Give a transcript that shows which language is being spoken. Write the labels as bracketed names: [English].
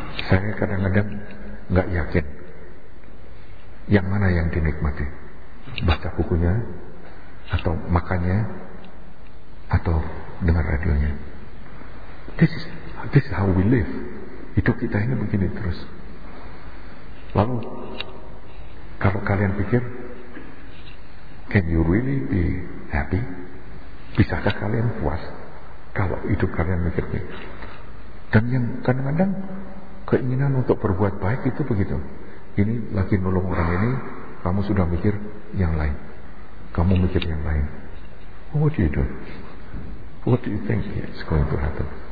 [Indonesian] Saya kadang-kadang enggak yakin yang mana yang dinikmati, baca bukunya atau makannya atau dengar radionya. [English] This is how we live. [Indonesian] Hidup kita ini begini terus. Lalu kalau kalian pikir, [English] can you really be happy? [Indonesian] Bisakah kalian puas kalau hidup kalian mikirnya? Dan yang kadang-kadang keinginan untuk berbuat baik itu begitu. Ini lagi nolong orang ini, kamu sudah mikir yang lain. Kamu mikir yang lain. [English] What do you do? What do you think is going to happen?